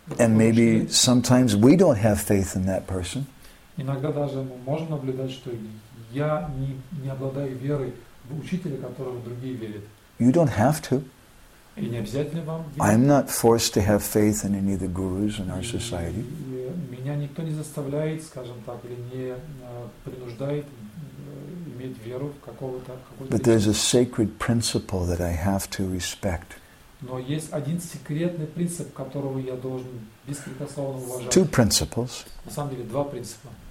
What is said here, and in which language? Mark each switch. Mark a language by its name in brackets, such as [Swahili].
[English] And maybe sometimes we don't have faith in that person. [Russian] Иногда даже мы можем наблюдать, что я не обладаю верой в учителя, которого другие верят. [English] You don't have to. [Russian] И не обязательно вам. [English] I'm not forced to have faith in any of the gurus in our society. [Russian] Меня никто не заставляет, скажем так, или не принуждает иметь веру в какого-то. [English] But there's a sacred principle that I have to respect. [Russian] Но есть один секретный принцип, которого я должен беспрекословно уважать. [English] Two principles. [Russian] На самом деле два принципа.